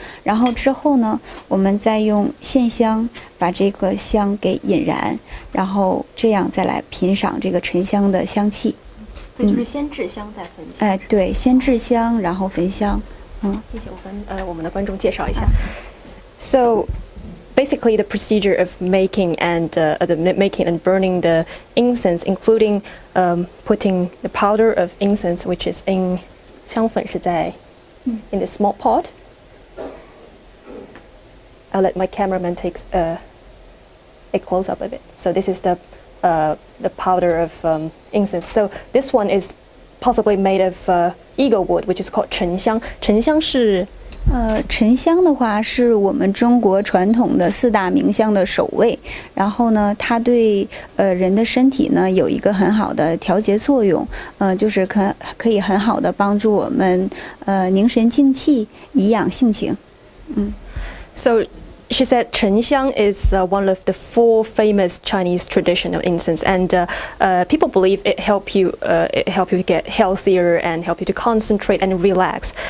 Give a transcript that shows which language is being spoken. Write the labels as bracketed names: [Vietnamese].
[Chinese] 然后之后呢，我们再用线香把这个香给引燃，然后这样再来品赏这个沉香的香气。所以就是先制香再焚香。对，先制香然后焚香。谢谢，我跟我们的观众介绍一下。 [English] So basically the procedure of making and making and burning the incense, including putting the powder of incense, which is in [Chinese] 香粉是在 [English] in the small pot. I'll let my cameraman take a close up of it. So this is the powder of incense. So this one is possibly made of eagle wood, which is called 沉香。 [Chinese] 沉香是，沉香的话是我们中国传统的四大名香的首位。然后呢，它对人的身体呢有一个很好的调节作用。就是可以很好的帮助我们凝神静气、颐养性情。 [English] So. She said Chen Xiang is one of the four famous Chinese traditional incense, and people believe it help you, it help you to get healthier and help you to concentrate and relax.